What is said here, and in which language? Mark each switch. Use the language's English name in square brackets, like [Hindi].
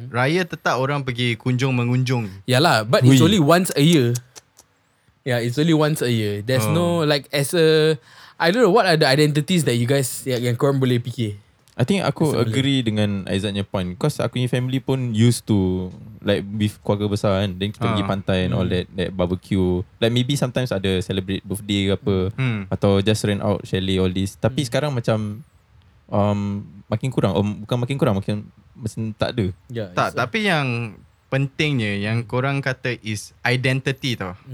[Malay] Raya tetap orang pergi kunjung mengunjung. [English] Yalah, but it's only once a year. Yeah, it's only once a year. There's no like as a, I don't know what are the identities that you guys [Malay] yang korang boleh fikir. [English] I think [Malay] aku [English] agree [Malay] dengan [English] Aizatnya point. Cause [Malay] aku punya [English] family [Malay] pun [English] used to like with [Malay] keluarga besar kan. [English] Then [Malay] kita pergi pantai [English] and all that, that barbecue. Like maybe sometimes [Malay] ada [English] celebrate birthday [Malay] ke apa. Atau [English] just rent out chalet all this. [Malay] Tapi sekarang macam makin kurang. Bukan makin kurang, makin macam tak ada. Yeah, tak, tapi yang pentingnya yang korang kata [English] is identity [Malay] tau.